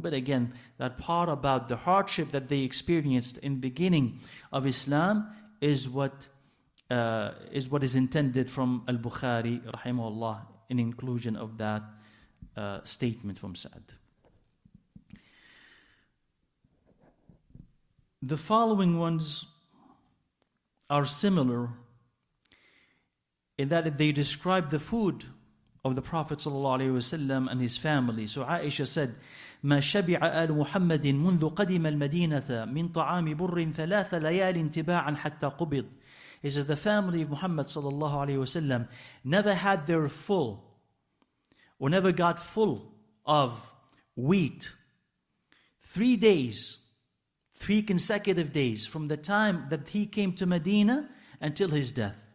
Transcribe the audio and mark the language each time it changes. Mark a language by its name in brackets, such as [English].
[English] But again, that part about the hardship that they experienced in the beginning of Islam is what is intended from Al-Bukhari, rahimahullah, in inclusion of that statement from Sa'd. The following ones are similar in that they describe the food of the Prophet ﷺ and his family. So Aisha said, [Arabic] مَا شَبِعَ آلُ مُحَمَّدٍ مُنْذُ قَدِمَ الْمَدِينَةَ مِنْ طَعَامِ بُرٍ ثَلَاثَ لَيَالٍ تِبَاعًا حَتَّى قُبِضْ. [English] He says, the family of Muhammad ﷺ never had their full, or never got full of wheat 3 days, three consecutive days, from the time that he came to Medina until his death.